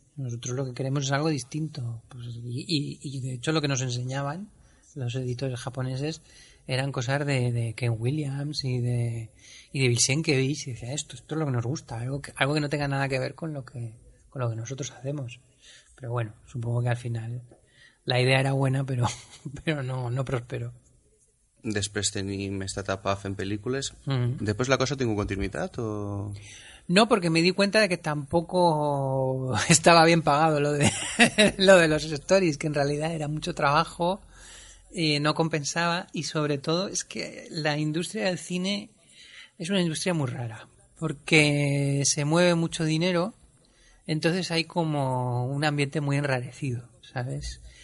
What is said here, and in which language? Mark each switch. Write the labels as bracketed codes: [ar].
[es] Nosotros lo que queremos es algo distinto. Pues, y de hecho lo que nos enseñaban los editores japoneses eran cosas de Ken Williams y de Vilsenkevich. Y decía, esto es lo que nos gusta, algo que no tenga nada que ver con lo que nosotros hacemos. Pero bueno, supongo que al final la idea era buena, pero no prosperó. [ca] Després tenim esta etapa fent pel·lícules. Mm-hmm. Després la cosa tingui continuïtat o...? [es] No, porque me di cuenta de que tampoco estaba bien pagado lo de los stories, que en realidad era mucho trabajo, no compensaba, y sobre todo es que la industria del cine es una industria muy rara, porque se mueve mucho dinero, entonces hay como un ambiente muy enrarecido, ¿sabes?